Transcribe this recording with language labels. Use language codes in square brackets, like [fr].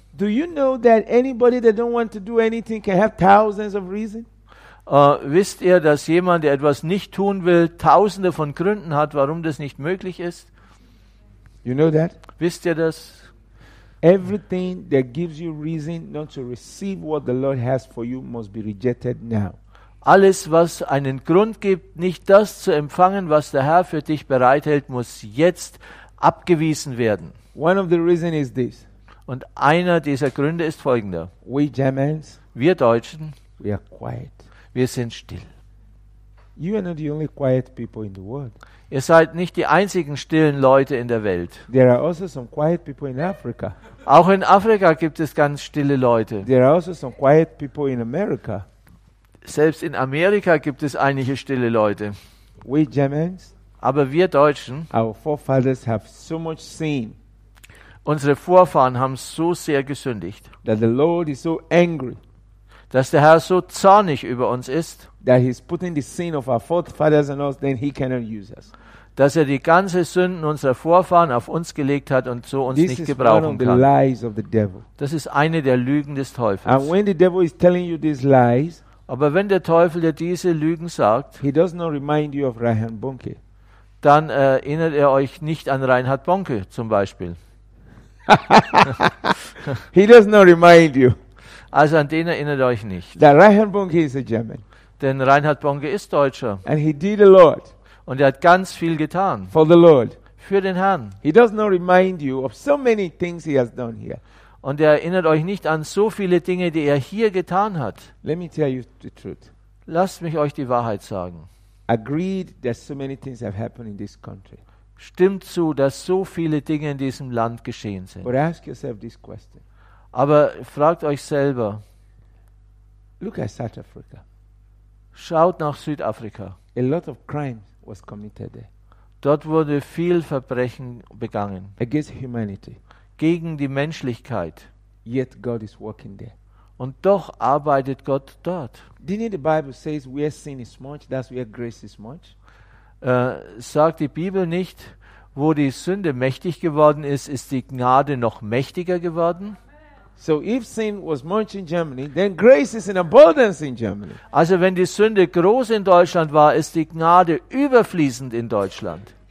[en] Do you know that anybody that don't want to do anything can have thousands of reasons? [de] Wisst ihr, dass jemand, der etwas nicht tun will, tausende von Gründen hat, warum das nicht möglich ist? [en] You know that? [de] Wisst ihr das? [en] Everything that gives you reason not to receive what the Lord has for you must be rejected now. [de] Alles, was einen Grund gibt, nicht das zu empfangen, was der Herr für dich bereithält, muss jetzt abgewiesen werden. [en] One of the reasons is this. [de] Und einer dieser Gründe ist folgender. [en] We Germans, [de] wir Deutschen, [en] we are quiet. [de] Wir sind still. [en] You are not the only quiet people in the world. [de] Ihr seid nicht die einzigen stillen Leute in der Welt. [en] There are also some quiet people in Africa. [de] Auch in Afrika gibt es ganz stille Leute. [en] There are also some quiet people in America. [de] Selbst in Amerika gibt es einige stille Leute. [en] We Germans, [de] aber wir Deutschen, [en] our forefathers have so much sin, [de] unsere Vorfahren haben so sehr gesündigt, [en] that the Lord is so angry, [de] dass der Herr so zornig über uns ist, [en] that he's putting the sin of our forefathers on us, then he cannot use us. [de] Dass er die ganze Sünden unserer Vorfahren auf uns gelegt hat und so uns [en] this [de] nicht gebrauchen [en] one of the [de] kann. [en] Lies of the devil. [de] Das ist eine der Lügen des Teufels. [en] And when the devil is telling you these lies, [de] aber wenn der Teufel dir diese Lügen sagt, [en] he does not remind you of Reinhard Bonnke. [de] Dann erinnert er euch nicht an Reinhard Bonnke zum Beispiel. [en] He does not remind you. [de] Also an den erinnert er euch nicht. [en] That Reinhard Bonnke is a German. [de] Denn Reinhard Bonnke ist Deutscher. [en] And he did a lot. [de] Und er hat ganz viel getan. [en] For the Lord. [de] Für den Herrn. [en] He does not remind you of so many things he has done here. [de] Und er erinnert euch nicht an so viele Dinge, die er hier getan hat. [en] Let me tell you the truth. [de] Lasst mich euch die Wahrheit sagen. [en] Agreed that so many things have happened in this country. [de] Stimmt zu, dass so viele Dinge in diesem Land geschehen sind. [en] But ask yourself this question. [de] Aber fragt euch selber. [en] Look at South Africa. [de] Schaut nach Südafrika. [en] A lot of crime was committed there. [de] Dort wurde viel Verbrechen begangen. [en] Against humanity. [de] Gegen die Menschlichkeit. [en] Yet God is working there. [de] Und doch arbeitet Gott dort. [en] Didn't the Bible says where sin is much, that's where grace is much? [de] Sagt die Bibel nicht, wo die Sünde mächtig geworden ist, ist die Gnade noch mächtiger geworden? [en] So if sin was much in Germany, then grace is in abundance in Germany. [de] Also wenn die Sünde groß in Deutschland war, ist die Gnade überfließend in Deutschland.